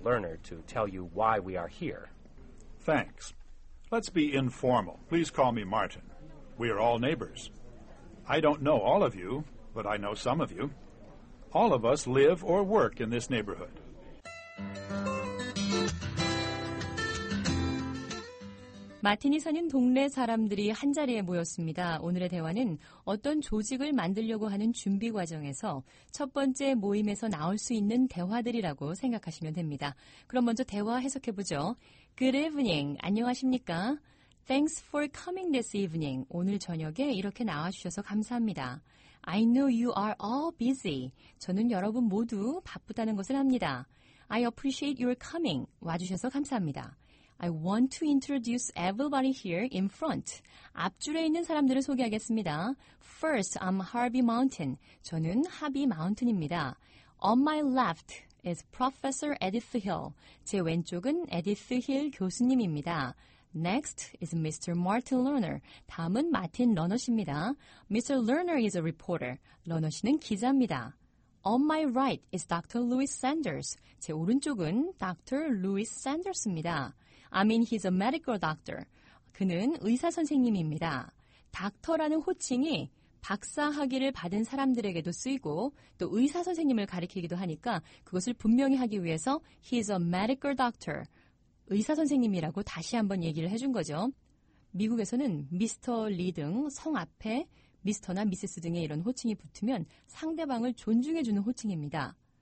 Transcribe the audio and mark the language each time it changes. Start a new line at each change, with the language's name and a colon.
English: Lerner to tell you why we are here. Thanks. Let's be informal. Please call me Martin. We are all neighbors. I don't know all of you, but I know some of you. All of us live or work in this neighborhood.
Korean: 마틴이 사는 동네 사람들이 한자리에 모였습니다. 오늘의 대화는 어떤 조직을 만들려고 하는 준비 과정에서 첫 번째 모임에서 나올 수 있는 대화들이라고 생각하시면 됩니다. 그럼 먼저 대화 해석해보죠.
English: Good evening.
Korean: 안녕하십니까?
English: Thanks for coming this evening.
Korean: 오늘 저녁에 이렇게 나와주셔서 감사합니다.
English: I know you are all busy.
Korean: 저는 여러분 모두 바쁘다는 것을 압니다.
English: I appreciate your coming.
Korean: 와주셔서 감사합니다.
English: I want to introduce everybody here in front.
Korean: 앞줄에 있는 사람들을 소개하겠습니다.
English: First, I'm Harvey Mountain.
Korean: 저는 하비 마운틴입니다.
English: On my left is Professor Edith Hill.
Korean: 제 왼쪽은 에디스 힐 교수님입니다.
English: Next is Mr. Martin Lerner.
Korean: 다음은 마틴 러너 씨입니다.
English: Mr. Lerner is a reporter.
Korean: 러너 씨는 기자입니다.
English: On my right is Dr. Louis Sanders.
Korean: 제 오른쪽은
English: Dr. Louis Sanders입니다. I mean, he's a medical doctor.
Korean: 그는 의사 선생님입니다. 닥터라는 호칭이 박사 학위를 받은 사람들에게도 쓰이고 또 의사 선생님을 가리키기도 하니까 그것을 분명히 하기 위해서
English: he's a medical doctor.
Korean: 의사 선생님이라고 다시 한번 얘기를 해준 거죠. 미국에서는 미스터 리 등 성 앞에 미스터나 미세스 등의 이런 호칭이 붙으면 상대방을 존중해주는 호칭입니다.